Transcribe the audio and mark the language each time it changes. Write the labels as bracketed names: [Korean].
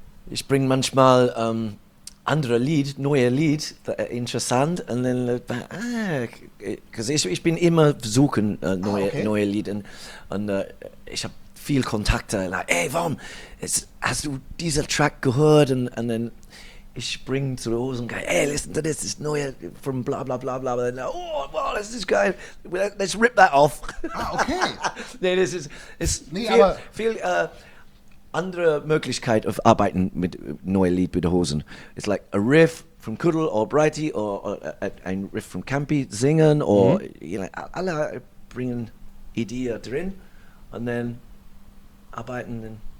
[German] Ich bringe manchmal andere Lied, neue Lied, interessant, und dann ich bin immer suchen neue Lieder und ich habe viel Kontakte, like, ey, warum hast du diesen Track gehört, und dann ich springe zu der Hose und gehe, [English] hey, listen to this, this is [German] neue from bla bla bla bla. [English] Und dann, oh, wow, this is geil, let's rip that off. Ah, okay. [German] Nee, das ist es, nee, viel, viel andere Möglichkeit auf Arbeiten mit neuen Lied mit der Hosen. [English] It's like a riff from Kuddle or Brighty or ein riff from Campy singen or, mhm. you know, [German] alle bringen Ideen drin und dann arbeiten. [English] Dann,